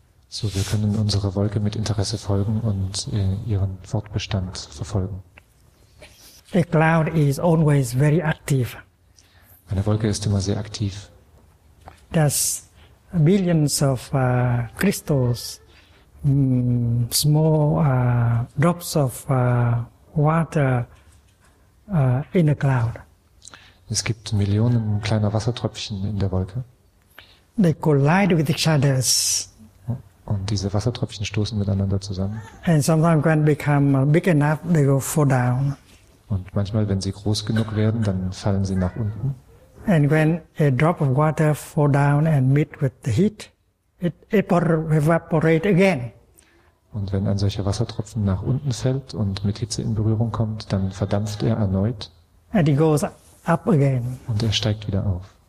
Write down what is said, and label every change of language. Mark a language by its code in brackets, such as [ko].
[de] So, wir können unsere Wolke mit Interesse folgen und ihren Fortbestand verfolgen. [en] A cloud is always very active. [de] Eine Wolke ist immer sehr aktiv. [en] Das billions of crystals, small drops of water in a cloud. [de] Es gibt Millionen kleiner Wassertröpfchen in der Wolke. [en] They collide with each other. [de] Und diese Wassertröpfchen stoßen miteinander zusammen. [en] And sometimes when they become big enough, they will fall down. [de] Und manchmal, wenn sie groß genug werden, dann fallen sie nach unten. [en] And when a drop of water falls down and meet with the heat, it evaporates again. [de] Und wenn ein solcher Wassertropfen nach unten fällt und mit Hitze in Berührung kommt, dann verdampft er erneut. [en] And he goes up again. [de] Und er steigt wieder auf.